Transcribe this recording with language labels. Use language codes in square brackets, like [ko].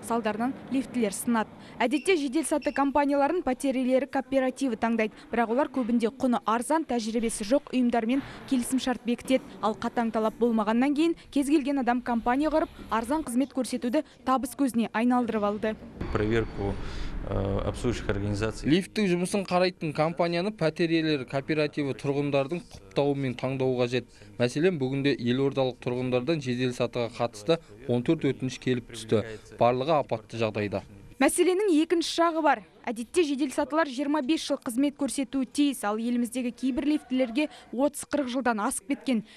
[kk] Салдарынан лифтілер сынады. Әдетте жедел саты компанияларын пәтерлері кооперативі таңдайды. Бірақ олар көбінде құны арзан, тәжірибесі жоқ ұйымдармен келісімшарт бекітеді. Ал қатаң талап болмағаннан кейін кез келген адам компания ғырып, арзан қызмет көрсетуді табыс көзіне айналдырып алды. [ru] Проверку обслуживающих организаций. [kk] Лифты жұмысын қарайтын компанияны пәтерелер кооперативы тұрғындардың құптауымен таңдауы қажет. Мәселен, бүгінде елордалық тұрғындардан жедел сатыға қатысты 14 өтініш келіп түсті. Барлығы апатты жағдайда. Мәселенің екінші шағы бар. Әдетте жедел сатылар 25 жыл қызмет көрсетуі тиіс, ал еліміздегі кейбір лифтілерге 30-40 жылдан асып кеткен.